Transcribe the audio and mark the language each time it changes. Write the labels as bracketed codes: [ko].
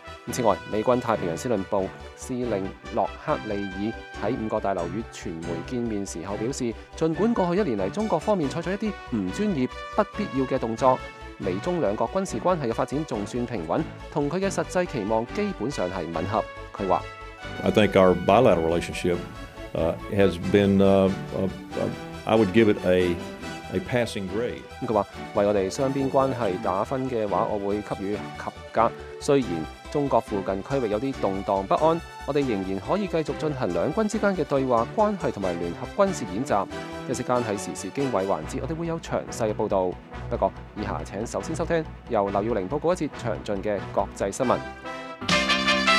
[zh] 此外，美軍太平洋司令部司令洛克利爾在五角大樓與傳媒見面時候表示，儘管過去一年來中國方面採取一些不專業、不必要的動作，美中兩國軍事關係的發展還算平穩，與他的實際期望基本上是吻合。他說 [en] I think our bilateral relationship has been I would give it a passing grade。 [zh] 他說為我們雙邊關係打分的話，我會給予及格，雖然中國附近區域有些動盪不安，我們仍然可以繼續進行兩軍之間的對話、關係和聯合軍事演習。一時間在時事經緯環節，我們會有詳細的報導。不過以下請首先收聽由劉耀玲報告一節詳盡的國際新聞。